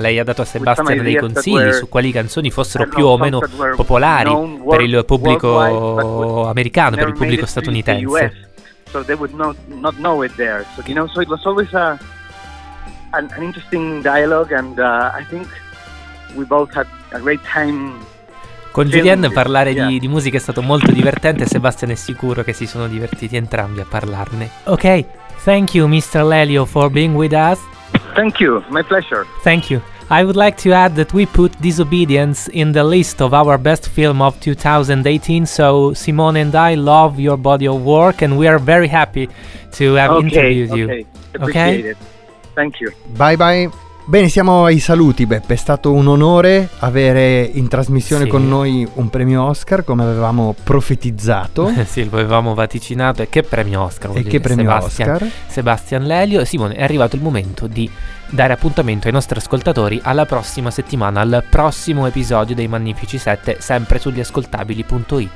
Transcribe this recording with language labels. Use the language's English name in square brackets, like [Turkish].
[Italian] Lei ha dato a Sebastian dei consigli su quali canzoni fossero più o meno popolari per il pubblico americano, per il pubblico statunitense. [English] So they would not know it there. So you know, so it was always an interesting dialogue, and I think we both had a great time. [Italian] Con Julianne parlare di musica è stato molto divertente. Sebastian è sicuro che si sono divertiti entrambi a parlarne. [English] Ok, thank you, Mr. Lelio, for being with us. Thank you, my pleasure. Thank you. I would like to add that we put Disobedience in the list of our best film of 2018, so Simone and I love your body of work and we are very happy to have interviewed you. Okay, appreciate it. Thank you. Bye bye. [Italian] Bene, siamo ai saluti, Beppe. È stato un onore avere in trasmissione con noi un premio Oscar, come avevamo profetizzato. Sì, lo avevamo vaticinato. E che premio Oscar? E che premio Sebastian, Oscar? Sebastian Lelio. Simone, è arrivato il momento di dare appuntamento ai nostri ascoltatori alla prossima settimana, al prossimo episodio dei Magnifici 7, sempre sugli ascoltabili.it.